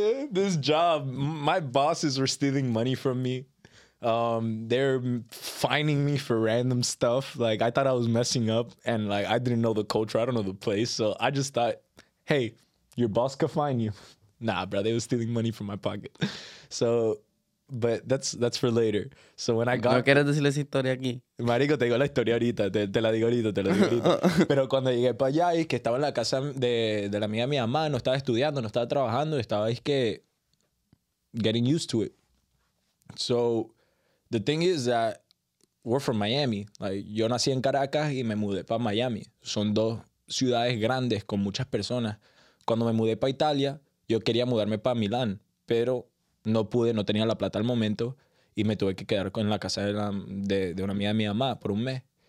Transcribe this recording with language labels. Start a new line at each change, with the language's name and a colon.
English: This job, my bosses were stealing money from me. They're fining me for random stuff. Like, I thought I was messing up. And, like, I didn't know the culture. I don't know the place. So I just thought, hey, your boss could fine you. Nah, bro, they were stealing money from my pocket. So, but that's for later. So when I got...
Spanish: ¿No quieres decirle esa historia aquí? Marico, te digo la historia ahorita. Te la digo ahorita. Pero cuando llegué para allá, es que estaba en la casa de la amiga de mi mamá, no estaba estudiando, no estaba trabajando, estaba, es que,
English: getting used to it. So, the thing is that we're from Miami.
Spanish: Like, yo nací en Caracas y me mudé para Miami. Son dos ciudades grandes con muchas personas. Cuando me mudé para Italia, yo quería mudarme para Milán, pero no pude, no tenía la plata al momento y me tuve que quedar en la casa de una amiga de mi mamá por un mes.